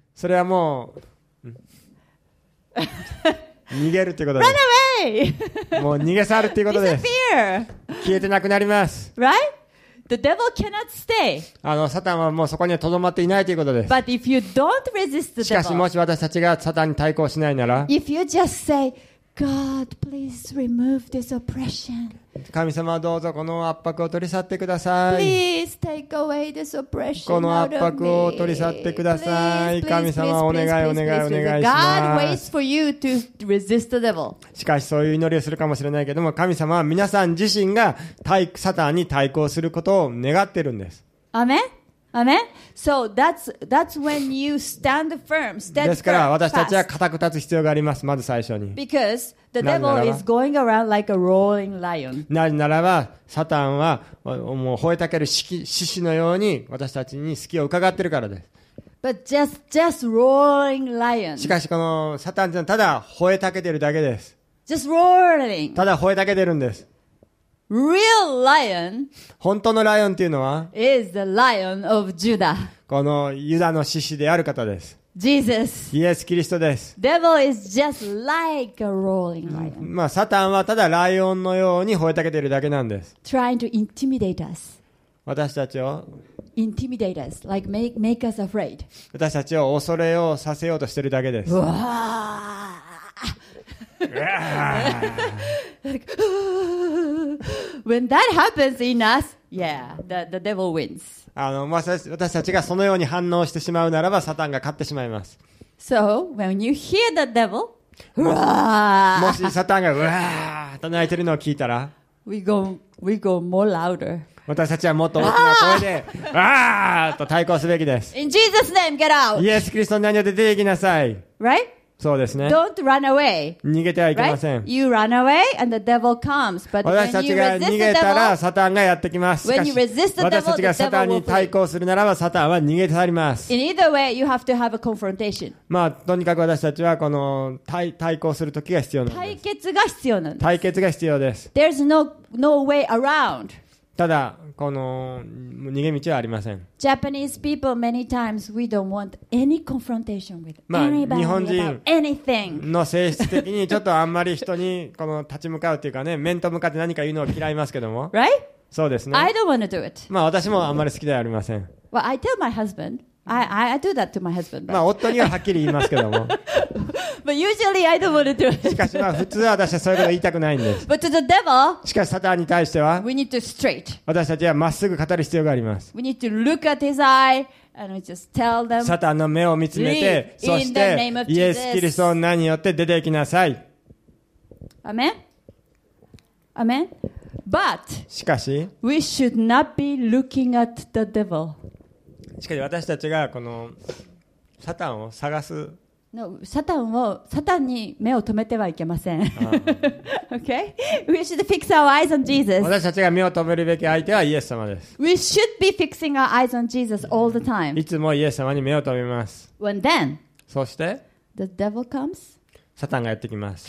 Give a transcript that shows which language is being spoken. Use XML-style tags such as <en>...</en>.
<ja>それはもう、逃げるっていうことです。</ja> <en>Run away!</en> <ja>もう逃げ去るっていうことです。</ja> <en>Disappear!</en> <ja>消えてなくなります。</ja> <en>Right? The devil cannot stay.</en> <ja>サタンはもうそこにはとどまっていないということです。</ja> <en>But if you don't resist the devil,</en> <ja>しかしもし私たちがサタンに対抗しないなら、</ja> <en>If you just say, God, please remove this oppression.</en> <ja>神様どうぞこの圧迫を取り去ってください。</ja> <en>Please take away this oppression.</en> <ja>この圧迫を取り去ってください。神様お願いお願いお願いします。</ja> <en>God waits for you to resist the devil.</en> <ja>しかしそういう祈りをするかもしれないけども、神様は皆さん自身がサタンに対抗することを願ってるんです。</ja> <en>アメン。Amen? So that's when you stand firm, stand</en> <ja>ですから私たちは固く立つ必要があります。まず最初に。</ja> <en>Because the devil is going around like a roaring lion.</en> <ja>なぜならば、サタンはもう吠えたける獅子のように私たちに隙を伺ってるからです。</ja> <en>But just roaring lion.</en> <ja>しかしこのサタンというのはただ吠えたけてるだけです。</ja> <en>Just roaring.</en> <ja>ただ吠えたけてるんです。</ja> <en>Real lion</en> <ja>本当のライオンというのは</ja> <en>is the lion of Judah.</en> <ja>このユダの獅子である方です。</ja> <en>Jesus.</en> <ja>イエス・キリストです。</ja> <en>Devil is just like a roaring lion.</en> <ja>まあ、サタンはただライオンのように吠えたけているだけなんです。</ja> <en>Trying to intimidate us.</en> <ja>私たちを</ja> <en>intimidate us, like make us afraid.</en> <ja>私たちを恐れをさせようとしているだけです。うわあ。</ja> <en>When that happens in us, yeah, the devil wins.</en> <ja>私たちがそのように反応してしまうならば、サタンが勝ってしまいます。</ja> <en>So, when you hear the devil,</en> <ja>もしサタンがうわーと泣いてるのを聞いたら、</ja> <en>we go more louder.</en> <ja>私たちはもっと大きな声で、うわーと対抗すべきです。</ja> <en>In Jesus' name, get out!</en> <ja>イエス・キリストの名によって出て行きなさい。</ja> <en>Right?</en> <ja>そうですね。</ja> <en>Don't run away.</en> <ja>逃げてはいけません。</ja> <en>Right? You run away and the devil comes. But when you resist the devil,</en> <ja>逃げたらサタンがやってきます。</ja> <en>When you resist the devil,</en> <ja>私たちがサタンに対抗するならばサタンは逃げ去ります。</ja> <en>In either way, you have to have a confrontation.</en> <ja>まあとにかく私たちはこの対抗する時が必要なんです。対決が必要なんです。対決が必要です。</ja> <en>There's no way around.</en> <ja>ただこの逃げ道はありません。</ja> <en>Japanese people many times we don't want any confrontation with anybody about anything.</en> <ja>の性質的にちょっとあんまり人にこの立ち向かうというかね、面と向かって何か言うのを嫌いますけども。</ja> <en>Right?</en> <ja>そうですね。</ja> <en>I don't want to do it.</en> <ja>まあ私もあんまり好きではありません。</ja> <en>Well, I tell my husband, I do that to my husband.</en> <ja>まあ夫にははっきり言いますけども。</ja> <en>But usually I don't want to do it.</en> <ja>しかしまあ普通は私はそういうこと言いたくないんです。</ja> <en>But to the devil,</en> <ja>しかしサタンに対しては</ja> <en>we need to straight.</en> <ja>私たちはまっすぐ語る必要があります。</ja> <en>We need to look at his eye and just tell them,</en> <ja>サタンの目を見つめて、そしてイエス・キリストの名によって出て行きなさい。</ja> <en>Amen? Amen? But</en> <ja>しかし</ja> <en>we should not be looking at the devil.</en> <ja>しかし私たちがこのサタンを探す No, サタンに目を止めてはいけません。</ja> <en>okay? We should fix our eyes on Jesus.</en> <ja>私たちが目を止めるべき相手はイエス様です。</ja> <en>We should be fixing our eyes on Jesus all the time.</en> <ja>いつもイエス様に目を止めます。</ja> <en>When then?</en> <ja>そして</ja> <en>The devil comes.</en> <ja>サタンがやってきます。</ja>